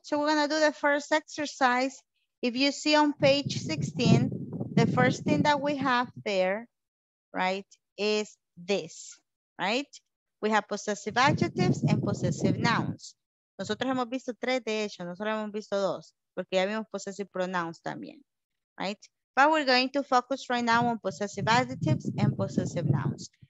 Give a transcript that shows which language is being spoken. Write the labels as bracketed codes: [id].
[en] So we're going to do the first exercise. If you see on page 16, the first thing that we have there, right, is this, right? We have possessive adjectives and possessive nouns. [es] Nosotros hemos visto tres de ellos, nosotros hemos visto dos, porque ya vimos possessive pronouns también, right? [en] But we're going to focus right now on possessive adjectives and possessive nouns.